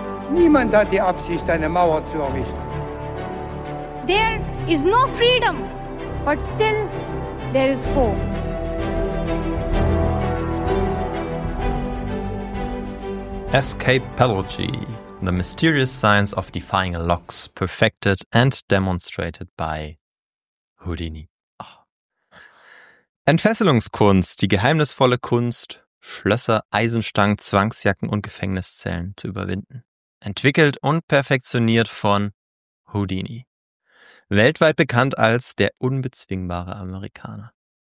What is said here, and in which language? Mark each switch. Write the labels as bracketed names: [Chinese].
[German] Niemand hat die Absicht, eine Mauer zu errichten. [English] There is no freedom, but still there is hope. Escapeology, the mysterious science of defying locks, perfected and demonstrated by Houdini. Oh. [German] Entfesselungskunst, die geheimnisvolle Kunst, Schlösser, Eisenstangen, Zwangsjacken und Gefängniszellen zu überwinden. Entwickelt und perfektioniert von Houdini. Weltweit bekannt als der unbezwingbare Amerikaner.